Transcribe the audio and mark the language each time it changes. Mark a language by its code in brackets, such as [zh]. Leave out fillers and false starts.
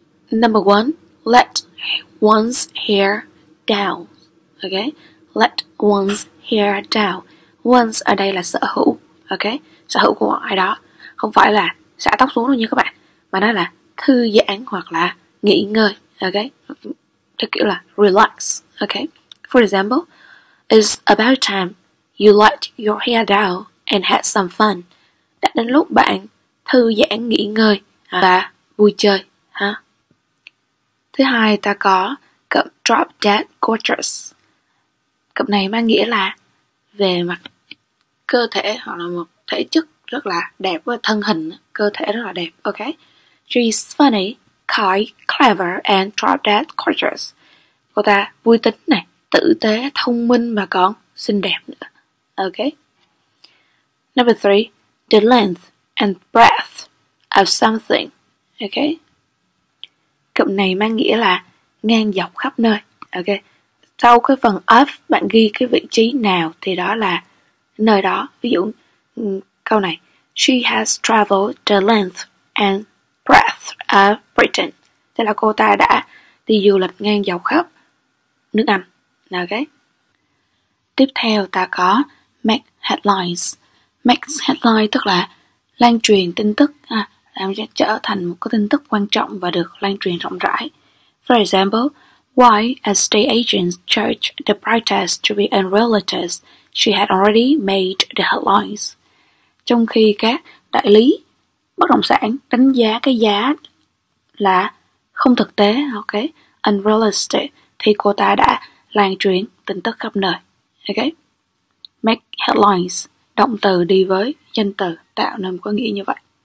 [en] Number one, let one's hair down. Ok. Let one's hair down. [vi] One's ở đây là sở hữu. Ok. Sở hữu của ai đó. Không phải là xả tóc xuống đâu như các bạn. Mà nó là thư giãn hoặc là nghỉ ngơi. Ok. Theo kiểu là relax. Ok. [en] For example, it's about time you let your hair down and had some fun. [vi] Đã đến lúc bạn thư giãn nghỉ ngơi và vui chơi. Ha? Thứ hai ta có cụm drop dead gorgeous. Cụm này mang nghĩa là về mặt cơ thể hoặc là một thể chất rất là đẹp với thân hình, cơ thể rất là đẹp. [en] Ok. She's funny, kind, clever and drop dead gorgeous. [vi] Cô ta vui tính này, tử tế, thông minh mà còn xinh đẹp nữa. [en] Ok. Number three, the length and breadth of something. Ok. [vi] Cụm này mang nghĩa là ngang dọc khắp nơi. Ok. Sau cái phần of, bạn ghi cái vị trí nào thì đó là nơi đó. Ví dụ câu này, [en] she has traveled the length and breadth of Britain. [vi] Tức là cô ta đã đi du lịch ngang dọc khắp nước Anh. Ok. Tiếp theo ta có make headlines. Make headlines tức là lan truyền tin tức, làm cho trở thành một cái tin tức quan trọng và được lan truyền rộng rãi. [en] For example, why estate agents charge the brightest to be in realtors, she had already made the headlines. [vi] Trong khi các đại lý bất động sản đánh giá cái giá là không thực tế, ok, unrealistic, thì cô ta đã lan truyền tin tức khắp nơi. Ok. Make headlines, động từ đi với danh từ, tạo nên có nghĩa như vậy.